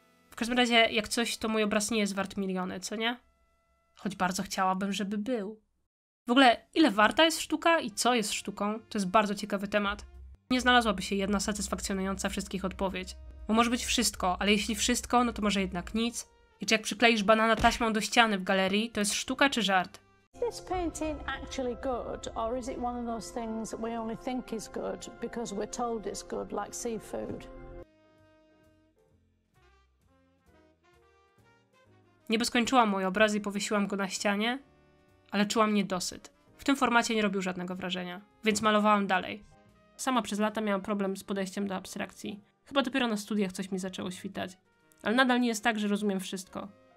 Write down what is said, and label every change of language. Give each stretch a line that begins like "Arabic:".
Polish: W każdym razie, jak coś, to mój obraz nie jest wart miliony, co nie? Choć bardzo chciałabym, żeby był. W ogóle, ile warta jest sztuka i co jest sztuką, to jest bardzo ciekawy temat. Nie znalazłaby się jedna satysfakcjonująca wszystkich odpowiedź. Bo może być wszystko, ale jeśli wszystko, no to może jednak nic. I czy jak przykleisz banana taśmą do ściany w galerii, to jest sztuka czy żart?
English: Is this painting actually good, or is it one of those things that we only think is good because we're told it's good, like seafood?
Polish: Nie by skończyłam mój obraz i powiesiłam go na ścianie, ale czułam niedosyt. W tym formacie nie robił żadnego wrażenia, więc malowałam dalej. Sama przez lata miałam problem z podejściem do abstrakcji. Chyba dopiero na studiach coś mi zaczęło świtać. Ale nadal nie jest tak, że rozumiem wszystko.